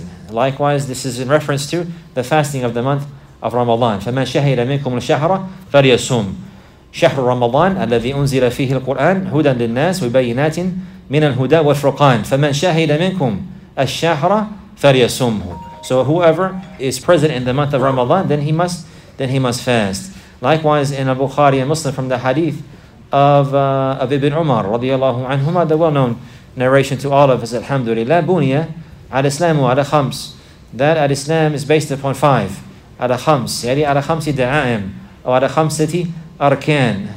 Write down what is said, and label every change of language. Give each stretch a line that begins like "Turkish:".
English: Likewise, this is in reference to the fasting of the month of Ramadan.
Arabic: فَمَنْ شَهِدَ مِنْكُمُ الْشَهْرَ فَلْيَصُومْ. شهر رمضان الذي أنزل فيه القرآن هدى للناس وبينات من الهدى والفرقان فمن شهد منكم الشهر فليصمه.
English: So whoever is present in the month of Ramadan, then he must fast. Likewise, in Al-Bukhari and Muslim, from the hadith of Ibn Umar رضي الله عنهما, the well-known narration to all of us, Alhamdulillah,
Arabic: Buniya al-Islamu ala khams,
English: that al-Islam is based upon five, ala khams, yani
Arabic: ala khamsi da'aim,
English: or
Arabic: ala khamsati arkan.